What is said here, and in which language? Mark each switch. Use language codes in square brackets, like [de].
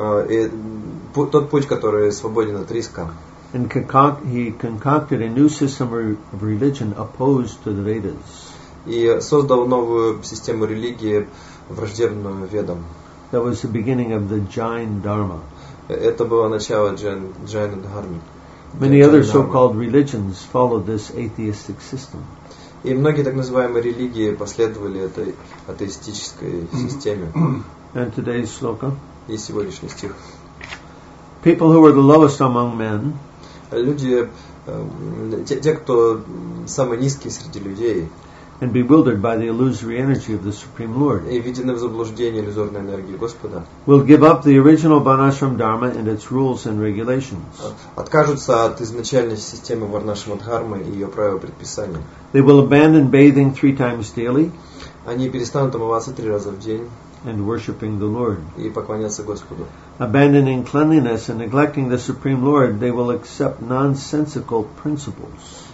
[ru] И тот путь, который свободен от риска. [en] And he concocted a new system of religion opposed to the Vedas. [ru] И создал новую систему религии, враждебную ведам. [en] That was the beginning of the Jain Dharma. [ru] Это было начало Jaina Dharma. [en] Many other so-called religions followed this atheistic system. [ru] И многие так называемые религии последовали этой атеистической системе. [en] And today's sloka. [ru] И сегодняшний стих. [en] People who were the lowest among men. [ru] Люди, те, кто самый низкий среди людей. [en] And bewildered by the illusory energy of the Supreme Lord. [ru] И введены в заблуждение иллюзорной энергией Господа. [en] Will give up the original Varnashram Dharma and its rules and regulations. [ru] Откажутся от изначальной системы Варнашрама Дхармы и ее правил и предписаний. [en] They will abandon bathing three times daily. [ru] Они перестанут омываться три раза в день. [en] And worshiping the Lord. [ru] И поклоняться Господу. [en] Abandoning cleanliness and neglecting the Supreme Lord, they will accept nonsensical principles.